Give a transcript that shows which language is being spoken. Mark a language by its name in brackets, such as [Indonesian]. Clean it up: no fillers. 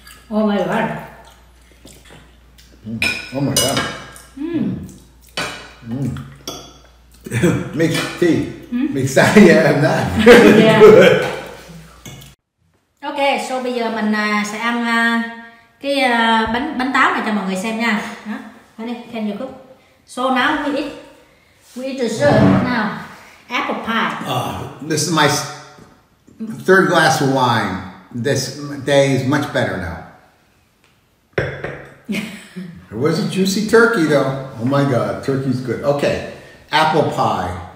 [English] Oh my God. Oh my God. Makes tea. Makes that, yeah, and that. Yeah. Okay, so [Vietnamese] bây giờ mình sẽ ăn cái bánh táo này cho mọi người xem nha. Đó, đi, [English] can you cook? So now we eat the dessert now. Apple pie. This is my third glass of wine. This day is much better now. It was a juicy turkey though. Oh my God, turkey's good. Okay, apple pie.